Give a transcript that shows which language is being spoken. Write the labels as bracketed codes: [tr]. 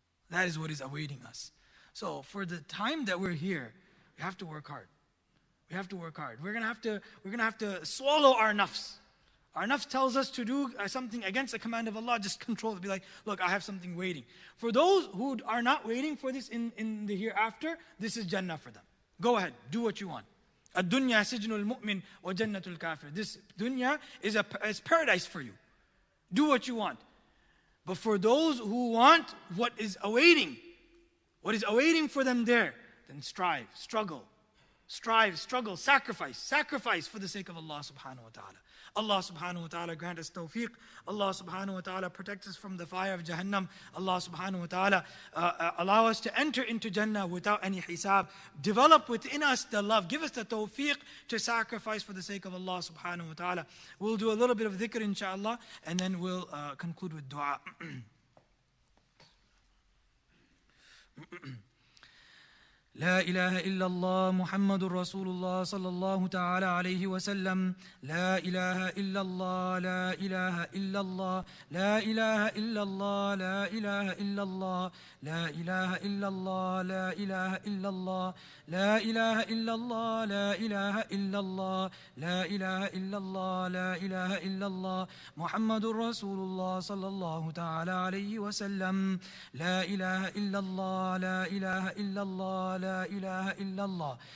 [en] That is what is awaiting us. So for the time that we're here, we have to work hard. We have to work hard. We're going to have to swallow our nafs. Our nafs tells us to do something against the command of Allah, just control it. Be like, look, I have something waiting. For those who are not waiting for this in the hereafter, this is Jannah for them. Go ahead, do what you want. [ar] الدنيا سجن المؤمن وجنة الكافر. [en] This dunya is paradise for you. Do what you want. But for those who want what is awaiting for them there, then strive, struggle, sacrifice for the sake of Allah subhanahu wa ta'ala. Allah subhanahu wa ta'ala grant us tawfiq. Allah subhanahu wa ta'ala protect us from the fire of Jahannam. Allah subhanahu wa ta'ala allow us to enter into Jannah without any hisab. Develop within us the love. Give us the tawfiq to sacrifice for the sake of Allah subhanahu wa ta'ala. We'll do a little bit of dhikr inshallah and then we'll conclude with dua. [ar] لا إله إلا الله محمد رسول الله صلى الله تعالى عليه وسلم لا إله إلا الله لا إله إلا الله لا إله إلا الله لا إله إلا الله لا إله إلا الله لا إله إلا الله لا إله إلا الله لا إله إلا الله لا إله إلا الله لا إله إلا الله محمد رسول الله صلى الله تعالى عليه وسلم لا إله إلا الله لا إله إلا الله لا إله إلا الله